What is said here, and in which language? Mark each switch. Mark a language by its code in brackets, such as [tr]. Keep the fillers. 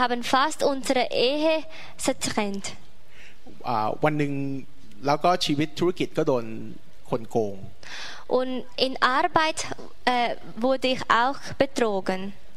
[de] haben fast unsere Ehe zertrennt. [th] วันหนึ่งแล้วก็ชีวิตธุรกิจก็โดนคนโกง [de] Und in Arbeit äh, wurde ich auch betrogen.